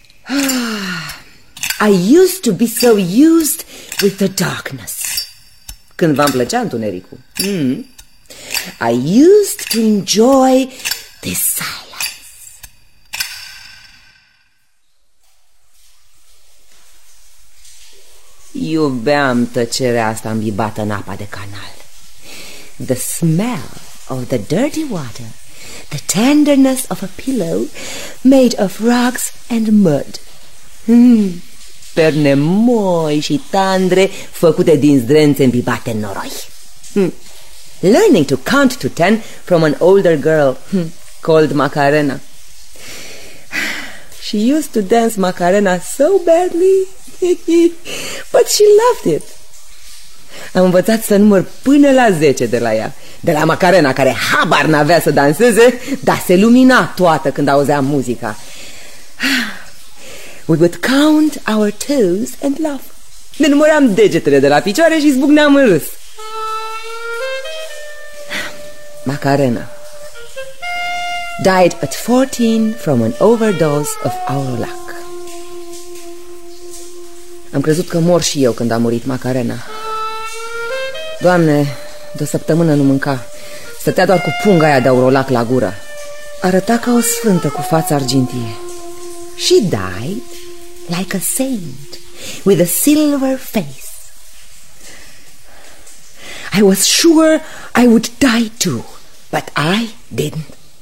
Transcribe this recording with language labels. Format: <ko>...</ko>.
<en>I used to be so used with the darkness.</en> <ro>Când v-am plăcea întunericul.</ro> <en>I used to enjoy the silence.</en> <ro>Iubeam tăcerea asta îmbibată în apa de canal.</ro> <en>The smell of the dirty water, the tenderness of a pillow made of rocks and mud.</en> <ro>Perne moi și tandre făcute din zdrențe îmbibate în noroi.</ro> <en>Learning to count to ten from an older girl called Macarena. She used to dance Macarena so badly, but she loved it.</en> <ro>Am învățat să număr până la 10 de la ea, de la Macarena, care habar n-avea să danseze, dar se lumina toată când auzea muzica.</ro> <en>We would count our toes and laugh.</en> <ro>Ne număram degetele de la picioare și zbucneam în râs.</ro> <en>Macarena died at 14 from an overdose of our luck.</en> <ro>Am crezut că mor și eu când a murit Macarena. Doamne, de o săptămână nu mânca. Stătea doar cu punga aia de aurolac la gură. Arăta ca o sfântă cu fața argintie.</ro> <en>She died like a saint, with a silver face. I was sure I would die too, but I didn't.</en>